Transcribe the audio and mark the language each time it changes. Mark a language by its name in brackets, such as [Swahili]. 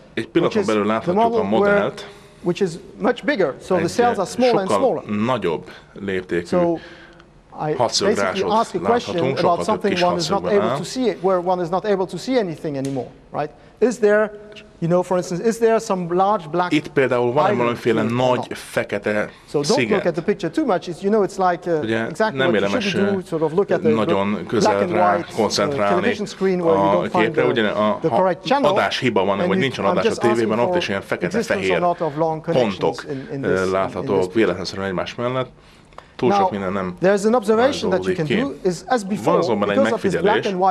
[Hungarian] Egy pillanaton belül láthatjuk a modellt, [English] which is much bigger, so the cells are smaller and smaller. [Hungarian] Nagyobb léptékű hatszögrásot láthatunk, sokkal több kis hatszögben áll. [English] Where one is not able to see anything anymore, right? Is there, you know, for instance, is there some large black? [Hungarian] Itt például van valamiféle nagy fekete sziget. [English] So don't look at the picture too much. You know, it's like exactly what you should do. Sort of look at the [Hungarian] nagyon közel rá koncentrálni a képre, ugye a adáshiba van, vagy nincsen adás a tévében, ott is ilyen fekete-fehér pontok láthatók véletlenszerűen egymás mellett. Túl sok minden nem rajzolódik ki. Van azonban egy megfigyelés.